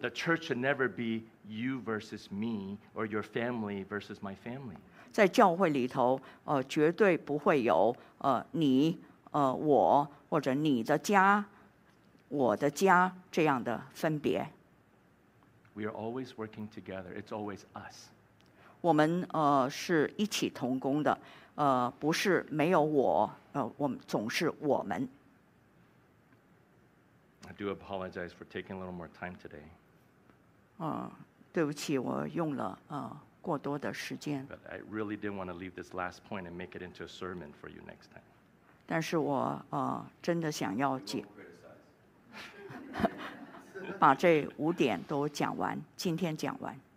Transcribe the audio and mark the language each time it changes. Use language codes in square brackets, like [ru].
[en] The church should never be you versus me or your family versus my family. [zh] 在教会里头绝对不会有你我或者你的家我的家这样的分别 [en] We are always working together. It's always us. [zh] 我们是一起同工的不是没有我我们总是我们 [en] I do apologize for taking a little more time today. [zh] 对不起我用了过多的时间 [en] But I really didn't want to leave this last point and make it into a sermon for you next time. [zh] 但是我真的想要把这五点都讲完，今天讲完。